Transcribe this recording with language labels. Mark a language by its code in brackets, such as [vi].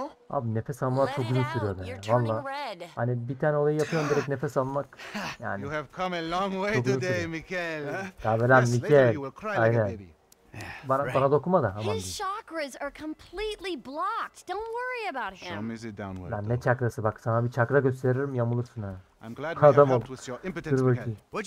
[tr] Abi nefes almak çok uzun sürüyor ya valla. Hani bir tane olayı yapıyorum direkt nefes almak yani çok uzun sürüyor. Tabi lan Mikel aynen. Bana dokunma da aman diyeyim. [en] His chakras are completely blocked. Don't worry about him. [tr] Lan ne çakrası bak sana bir çakra gösteririm yamulursun ha. Adam ol. Dur bakayım.